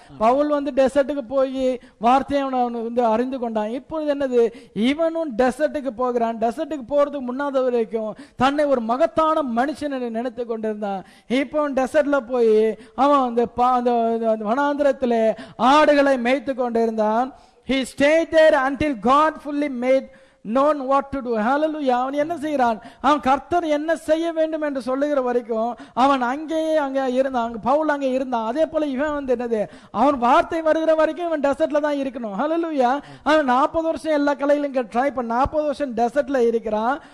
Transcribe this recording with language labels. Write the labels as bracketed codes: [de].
[ta] பவுல் வந்து டெசர்ட்டுக்கு போய் வார்த்தையை அவன் வந்து அறிந்து கொண்டான். இப்பொழுது என்னது, இவனும் டெசர்ட்டுக்கு போகிறான். டெசர்ட்டுக்கு போறதுக்கு முன்னாத வரைக்கும் தன்னை ஒரு மகத்தான மனுஷன் நினைத்து கொண்டிருந்தான். இப்போ அவன் டெசர்ட்ல போய் அவன் அந்த வனாந்திரத்துல ஆடுகளை மேய்த்து கொண்டிருந்தான். [en] He stayed there until God fully made known what to do. Hallelujah. [ta] அவன் என்ன செய்கிறான், அவன் கர்த்தர் என்ன செய்ய வேண்டும் என்று சொல்லுகிற வரைக்கும் அவன் அங்கேயே அங்கே இருந்தான். அங்கே பவுல் அங்கே இருந்தான். அதே போல இவன் வந்து என்னது, அவன் வார்த்தை வருகிற வரைக்கும் இவன் டெசர்ட்ல தான் இருக்கணும். ஹல்லேலூயா. அவன் 40 வருஷம் எல்லா கலையிலும் ட்ரை பண்ண, 40 வருஷம் டெசர்ட்ல இருக்கிறான்.